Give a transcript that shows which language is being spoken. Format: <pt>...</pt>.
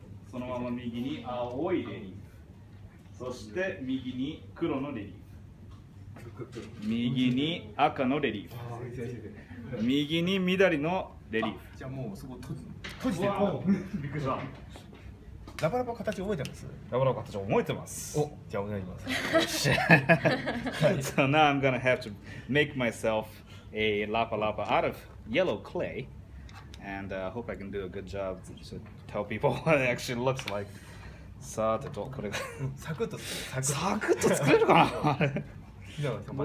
<ja>そのまま右に青いレリーフ。そして右に黒のレリーフ、右に赤のレリーフ、右に緑のレリーフ。じゃあもうそこ閉じてる。びっくりした。ラバラバ形覚えてます？ラバラバ形覚えてます。お、じゃあお願いします。</ja> <en>So now I'm gonna have to make myself a lapa lapa out of yellow clay, and hope I can do a good job to tell people what it actually looks like.</en> <ja>さーてと、これがサクッと作れる、サクッと作れるかな。</ja>